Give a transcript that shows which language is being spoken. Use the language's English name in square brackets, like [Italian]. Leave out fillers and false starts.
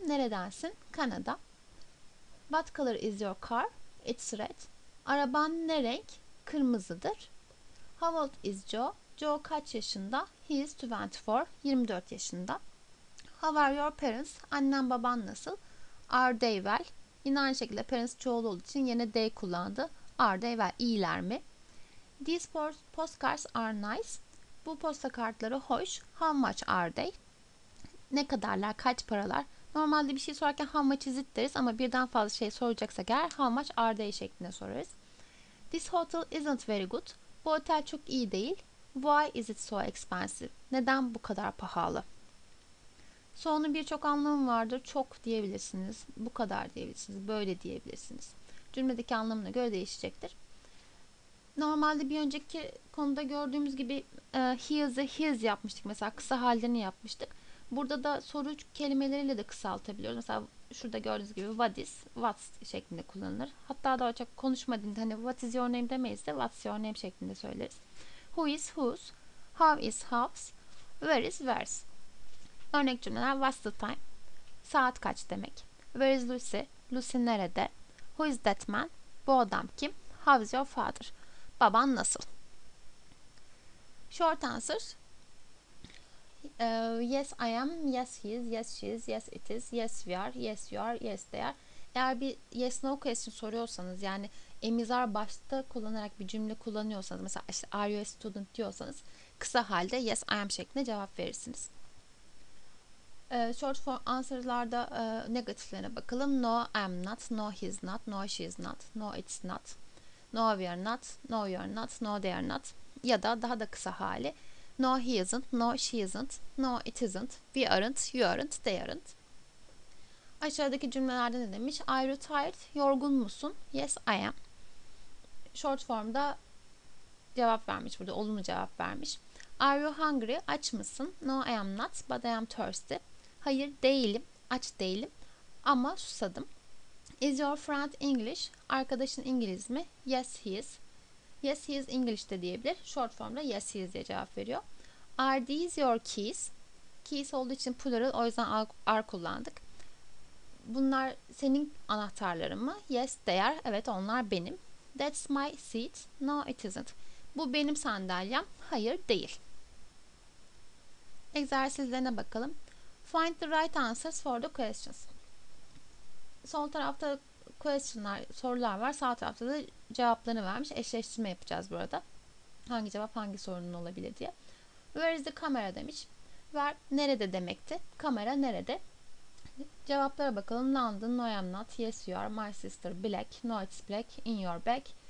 [Turkish] Neredensin? [English] Kanada. What color is your car? It's red. [Turkish] Araban ne renk? Kırmızıdır. [English] How old is Joe? [Turkish] Joe kaç yaşında? [English] He is 24. [Turkish] 24 yaşında. [English] How are your parents? [Turkish] Annen baban nasıl? [English] Are they well? [Turkish] Yine aynı şekilde parents çoğul olduğu için yine they kullandı. [English] Are they well? [Turkish] İyiler mi? [English] These postcards are nice. [Turkish] Bu posta kartları hoş. [English] How much are they? [Turkish] Ne kadarlar? Kaç paralar? Normalde bir şey sorarken [English] how much is it [Turkish] deriz ama birden fazla şey soracaksak eğer [English] how much are they [Turkish] şeklinde sorarız. This hotel isn't very good. Bu otel çok iyi değil. [English] Why is it so expensive? [Turkish] Neden bu kadar pahalı? So'nun birçok anlamı vardır. Çok diyebilirsiniz. Bu kadar diyebilirsiniz. Böyle diyebilirsiniz. Cümledeki anlamına göre değişecektir. Normalde bir önceki konuda gördüğümüz gibi [English] he is [Turkish] yapmıştık. Mesela kısa hallerini yapmıştık. Burada da soru kelimeleriyle de kısaltabiliyoruz. Mesela şurada gördüğünüz gibi [English] what is, [Turkish] what şeklinde kullanılır. Hatta daha çok konuşma dilinde hani [English] what is your name [Turkish] demeyiz de [English] what's your name [Turkish] şeklinde söyleriz. [English] Who is whose, how is how's, where is where's. [Turkish] Örnek cümleler [English] what's the time, [Turkish] saat kaç demek. [English] Where is Lucy, [Turkish] Lucy nerede. [English] Who is that man, [Turkish] bu adam kim. [English] How is your father, [Turkish] baban nasıl. [English] Short answers. Yes I am, yes he is, yes she is, yes it is, yes we are, yes you are, yes they are. [Turkish] Eğer bir [English] yes no question [Turkish] soruyorsanız yani emizar başta kullanarak bir cümle kullanıyorsanız mesela işte [English] are you a student [Turkish] diyorsanız kısa halde [English] yes I am [Turkish] şeklinde cevap verirsiniz. Short form answer'larda negatiflerine bakalım. [English] No I am not, no he is not, no she is not, no it's not, no we are not, no you are not, no they are not [Turkish] ya da daha da kısa hali. [English] No he isn't, no she isn't, no it isn't, we aren't, you aren't, they aren't. [Turkish] Aşağıdaki cümlelerde ne demiş? [English] Are you tired? [Turkish] Yorgun musun? [English] Yes, I am. [Turkish] Short form'da cevap vermiş burada. Olumlu cevap vermiş. [English] Are you hungry? [Turkish] Aç mısın? [English] No, I am not. But I am thirsty. [Turkish] Hayır, değilim. Aç değilim. Ama susadım. [English] Is your friend English? [Turkish] Arkadaşın İngiliz mi? [English] Yes, he is. Yes, he is English [Turkish] de diyebilir. [English] Short form'da yes, he is [Turkish] diye cevap veriyor. [English] Are these your keys? [Turkish] Keys olduğu için plural, o yüzden are kullandık. Bunlar senin anahtarların mı? [English] Yes, they are. [Turkish] Evet, onlar benim. [English] That's my seat. No, it isn't. [Turkish] Bu benim sandalyem. Hayır, değil. Egzersizlerine bakalım. [English] Find the right answers for the questions. [Turkish] Sol tarafta questionlar, sorular var. Sağ tarafta da cevaplarını vermiş. Eşleştirme yapacağız burada. Hangi cevap hangi sorunun olabilir diye. [English] Where is the camera [Turkish] demiş. Where nerede demekti. Kamera nerede? Cevaplara bakalım. [English] London, no I am not. Yes you are. My sister black. No it's black. In your bag.